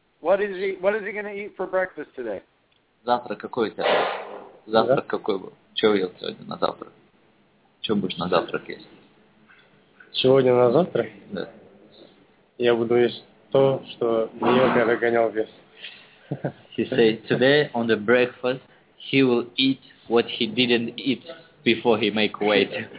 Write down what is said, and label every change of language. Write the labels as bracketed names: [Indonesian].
[English] What is he going to eat for breakfast today? [Russian] Завтра какой у тебя? Завтрак какой был? Что ел сегодня на завтрак? Что будешь на завтрак есть? Сегодня на завтрак? Да. Я буду есть. То, что мне перегонял вес. [English] He said today on the breakfast he will eat what he didn't eat before he make weight.